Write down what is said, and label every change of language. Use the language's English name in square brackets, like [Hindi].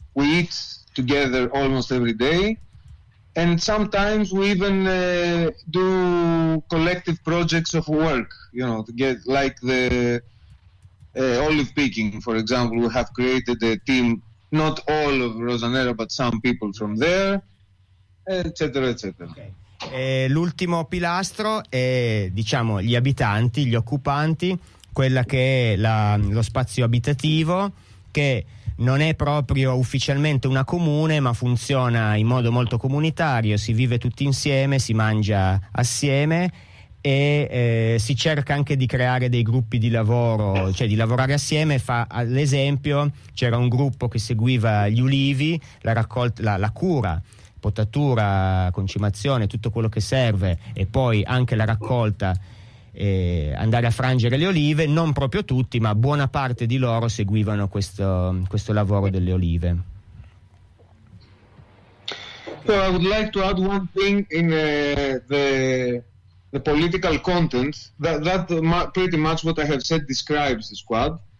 [English] We eat together almost every day, and sometimes we even do collective projects of work, you know, to get, like the olive picking, for example. We have created a team. Not all of Rosa Nera, but some people from there, eccetera, eccetera. Okay. [Italian] L'ultimo pilastro è, diciamo, gli abitanti, gli occupanti, quella che è lo spazio abitativo, che non è proprio ufficialmente una comune, ma funziona in modo molto comunitario, si vive tutti insieme, si mangia assieme, e si cerca anche di creare dei gruppi di lavoro, cioè di lavorare assieme. Fa l'esempio, c'era un gruppo che seguiva gli ulivi, la cura, potatura, concimazione, tutto quello che serve, e poi anche la raccolta, andare a frangere le olive. Non proprio tutti, ma buona parte di loro seguivano questo lavoro delle olive. [English] So I would like to add one thing in the the political content, that pretty much what I have said describes the squad.